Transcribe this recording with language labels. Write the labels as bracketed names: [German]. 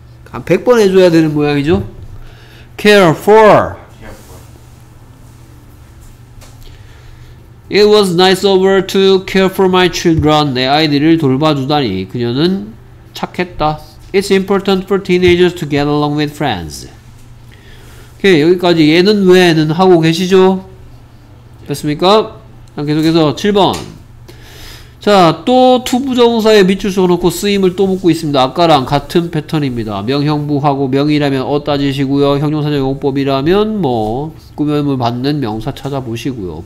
[Korean] 한 100번 해줘야 되는 모양이죠? [English] Care for. It was nice of her to care for my children. [Korean] 내 아이들을 돌봐주다니. 그녀는 착했다. [English] It's important for teenagers to get along with friends. [Korean] 오케이, 여기까지 얘는 왜는 하고 계시죠? 됐습니까? 계속해서 7번. 자, 또 투부정사에 밑줄 써놓고 쓰임을 또 묻고 있습니다. 아까랑 같은 패턴입니다. 명형부하고 명이라면 어 따지시고요. 형용사적용법이라면 뭐 꾸며임을 받는 명사 찾아보시고요.